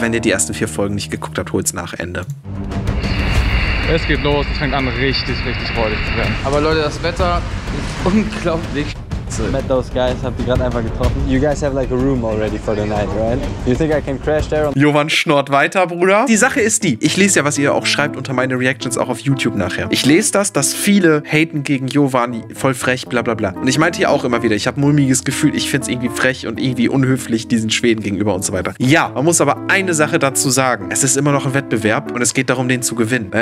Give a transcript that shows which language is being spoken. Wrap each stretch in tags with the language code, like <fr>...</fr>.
<de>Wenn ihr die ersten 4 Folgen nicht geguckt habt, holt's nach Ende. Es geht los. Es fängt an, richtig, richtig freudig zu werden. Aber Leute, das Wetter ist unglaublich.</de> <en>Met those guys,</en> <de>hab die gerade einfach getroffen.</de> <en>You guys have like a room already for the night, right? You think I can crash there?</en> <de>Jovan schnort weiter, Bruder. Die Sache ist die, ich lese ja, was ihr auch schreibt unter meine Reactions auch auf YouTube nachher. Ich lese das, dass viele haten gegen Jovan, voll frech, bla bla bla. Und ich meinte ja auch immer wieder, ich habe mulmiges Gefühl, ich find's irgendwie frech und irgendwie unhöflich diesen Schweden gegenüber und so weiter. Ja, man muss aber eine Sache dazu sagen. Es ist immer noch ein Wettbewerb und es geht darum, den zu gewinnen.</de>